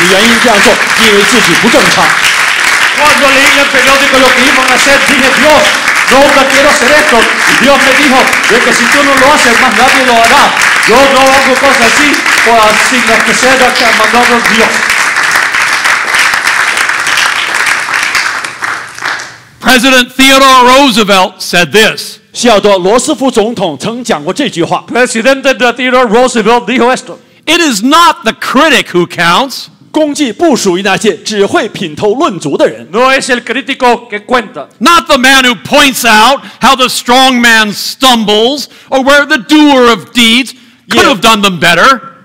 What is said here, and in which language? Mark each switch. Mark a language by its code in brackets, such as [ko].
[zh] 我做这些事情就是因为神告诉我这样去做，我从来没有因为我自己的原因这样做，因为自己不正常。 [es] Cuando leí el periódico lo que iban a hacer, dije Dios, nunca quiero hacer esto. Dios me dijo de que si tú no lo haces, más nadie lo hará. Yo no hago cosas así por así la que sea que ha mandado Dios. [en] President Theodore Roosevelt said this. [zh] 希奥多·罗斯福总统曾讲过这句话 [es] President Theodore Roosevelt dijo esto [en] It is not the critic who counts [zh] 功绩不属于那些只会品头论足的人 [es] No es el crítico que cuenta [en] Not the man who points out how the strong man stumbles Or where the doer of deeds could have done them better